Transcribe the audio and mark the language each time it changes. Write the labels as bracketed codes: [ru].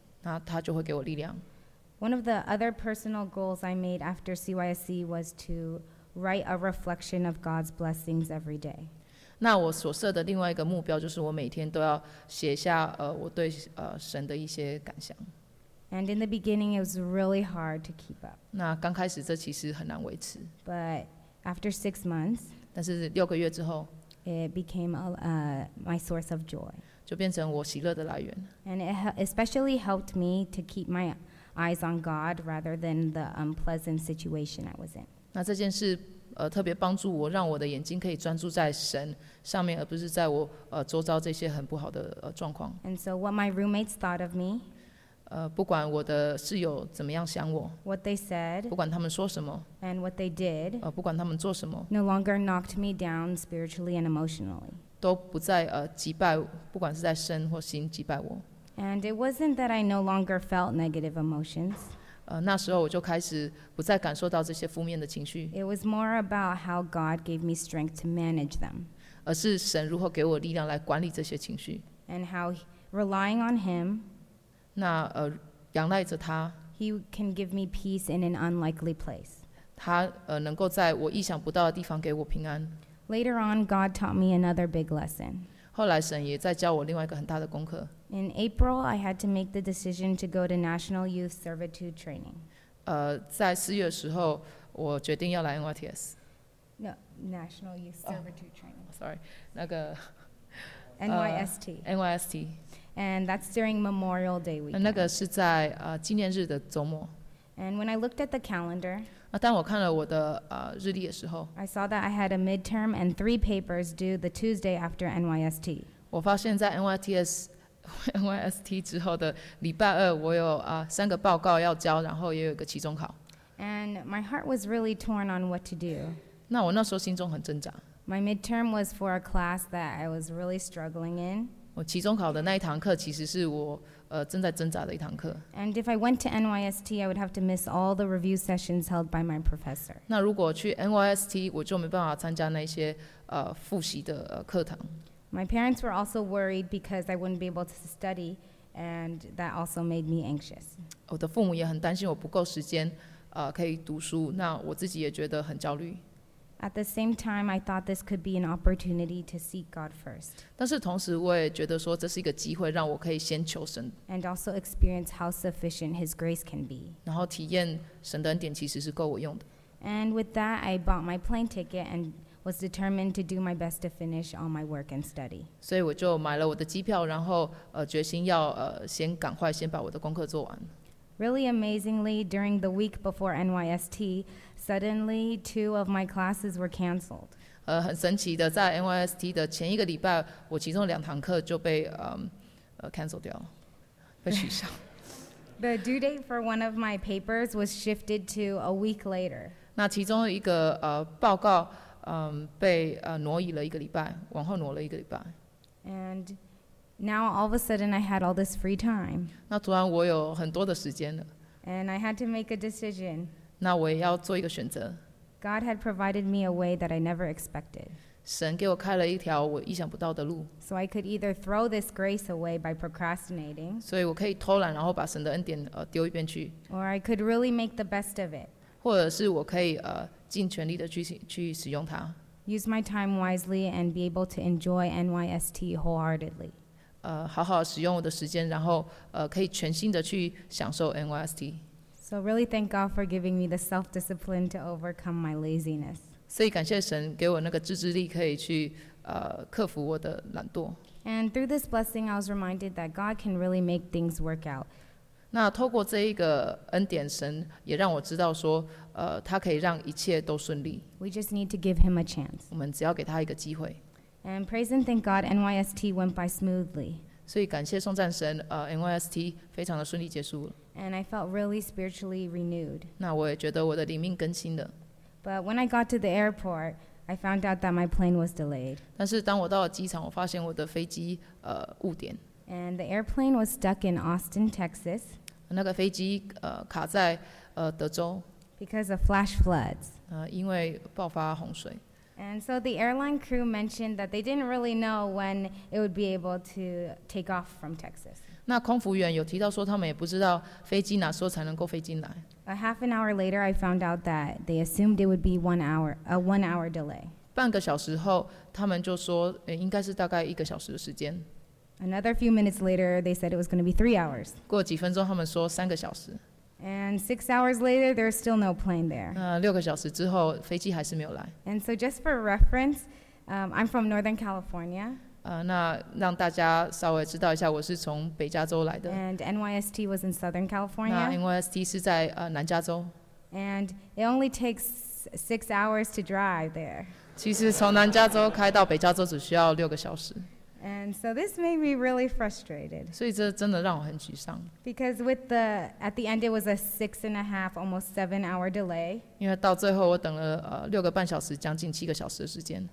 [zh] 那它就会给我力量。 [en] One of the other personal goals I made after CYSC was to write a reflection of God's blessings every day. [zh] 那我所设的另外一个目标就是我每天都要写下我对神的一些感想。 [en] And in the beginning, it was really hard to keep up. [zh] 那刚开始这其实很难维持。 [en] But after 6 months, [zh] 但是六个月之后。 [en] It became my source of joy. [zh] 就变成我喜乐的来源。 [en] And it especially helped me to keep my eyes on God rather than the unpleasant situation I was in. [zh] 那这件事特别帮助我，让我的眼睛可以专注在神上面，而不是在我周遭这些很不好的状况。 [en] And so what my roommates thought of me. [zh] 不管我的室友怎么样想我。 [en] What they said. [zh] 不管他们说什么。 [en] And what they did. [zh] 不管他们做什么。 [en] No longer knocked me down spiritually and emotionally. [zh] 都不再击败，不管是在身或心击败我。 [en] And it wasn't that I no longer felt negative emotions. [zh] 那时候我就开始不再感受到这些负面的情绪。 [en] It was more about how God gave me strength to manage them. [zh] 而是神如何给我力量来管理这些情绪。 [en] And how relying on Him. [zh] 那仰赖着他。 [en] He can give me peace in an unlikely place. [zh] 他能够在我意想不到的地方给我平安。 [en] Later on, God taught me another big lesson. [zh] 后来神也在教我另外一个很大的功课。 [en] In April, I had to make the decision to go to National Youth Servitude Training. [zh] 在四月的时候，我决定要来 NYTS. [en] No, National Youth Servitude Training. Sorry, [zh] 那个 [en] NYST. [zh] NYST. [en] And that's during Memorial Day weekend. [zh] 那个是在纪念日的周末。 [en] And when I looked at the calendar, [zh] 当我看了我的日历的时候， [en] I saw that I had a midterm and three papers due the Tuesday after NYST. [zh] 我发现在 NYST 之后的礼拜二，我有三个报告要交，然后也有一个期中考。 [en] And my heart was really torn on what to do. [zh] 那我那时候心中很挣扎。 [en] My midterm was for a class that I was really struggling in. [zh] 我期中考的那一堂课其实是我正在挣扎的一堂课。 [en] And if I went to NYST, I would have to miss all the review sessions held by my professor. [zh] 那如果去 NYST, 我就没办法参加那些复习的课堂。 [en] My parents were also worried because I wouldn't be able to study, and that also made me anxious. [zh] 我的父母也很担心我不够时间可以读书，那我自己也觉得很焦虑。 [en] At the same time, I thought this could be an opportunity to seek God first. [zh] 但是同时我也觉得说这是一个机会让我可以先求神。 [en] And also experience how sufficient His grace can be. [zh] 然后体验神的恩典其实是够我用的。 [en] And with that, I bought my plane ticket and was determined to do my best to finish all my work and study. [zh] 所以我就买了我的机票，然后决心要先赶快先把我的功课做完。 [en] Really amazingly, during the week before NYST, suddenly two of my classes were canceled. [zh] 很神奇的，在 NYST 的前一个礼拜，我其中两堂课就被canceled 掉了，被取消。 [en] The due date for one of my papers was shifted to a week later. [zh] 那其中一个报告被挪移了一个礼拜，往后挪了一个礼拜。 [en] And now all of a sudden I had all this free time. [zh] 那突然我有很多的时间了。 [en] And I had to make a decision. [zh] 那我也要做一个选择。 [en] God had provided me a way that I never expected. [zh] 神给我开了一条我意想不到的路。 [en] So I could either throw this grace away by procrastinating. [zh] 所以我可以偷懒，然后把神的恩典丢一边去。 [en] Or I could really make the best of it. [zh] 或者是我可以尽全力的去使用它。 [en] Use my time wisely and be able to enjoy NYST wholeheartedly. [zh] 好好使用我的时间，然后可以全心的去享受 NYST。 [en] So really thank God for giving me the self-discipline to overcome my laziness. [zh] 所以感谢神给我那个自制力，可以去克服我的懒惰。 [en] And through this blessing, I was reminded that God can really make things work out. [zh] 那透过这一个恩典，神也让我知道说，他可以让一切都顺利。 [en] We just need to give Him a chance. [zh] 我们只要给他一个机会。 [en] And praise and thank God, NYST went by smoothly. [zh] 所以感谢颂赞神，NYST 非常的顺利结束了。 [en] And I felt really spiritually renewed. [zh] 那我也觉得我的灵命更新了。 [en] But when I got to the airport, I found out that my plane was delayed. [zh] 但是当我到了机场，我发现我的飞机误点。 [en] And the airplane was stuck in Austin, Texas. [zh] 那个飞机卡在德州。 [en] Because of flash floods. [zh] 因为爆发洪水。 [en] And so the airline crew mentioned that they didn't really know when it would be able to take off from Texas. [zh] 那空服员有提到说他们也不知道飞机哪时候才能够飞进来。 [en] A half an hour later, I found out that they assumed it would be a one hour delay. [zh] 半个小时后，他们就说应该是大概一个小时的时间。 [en] Another few minutes later, they said it was going to be 3 hours. [zh] 过几分钟，他们说三个小时。 [en] And 6 hours later, there's still no plane there. [zh] 六个小时之后，飞机还是没有来。 [en] And so just for reference, I'm from Northern California. [zh] 那让大家稍微知道一下，我是从北加州来的。 [en] And NYST was in Southern California. [zh] 那 NYST 是在南加州。 [en] And it only takes 6 hours to drive there. [zh] 其实从南加州开到北加州只需要6个小时。 [en] And so this made me really frustrated. [zh] 所以这真的让我很沮丧。 [en] Because at the end it was a 6.5, almost 7 hour delay. [zh] 因为到最后我等了6个半小时，将近7个小时的时间。